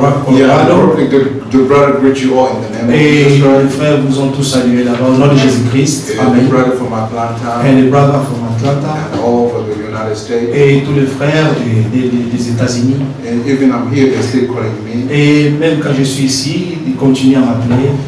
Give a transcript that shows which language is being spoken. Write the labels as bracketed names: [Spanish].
[English] Yeah, the brother greet you all in the name of Jesus. [French] Et les frères vous ont tous salué là-bas au nom de Jésus-Christ. [English] Amen. Brother from Atlanta. And the brother from Atlanta. And all over the United States. [French] Et tous les frères des États-Unis. [English] And even I'm here, they're still calling me. [French] Et même quand je suis ici, ils continuent à m'appeler.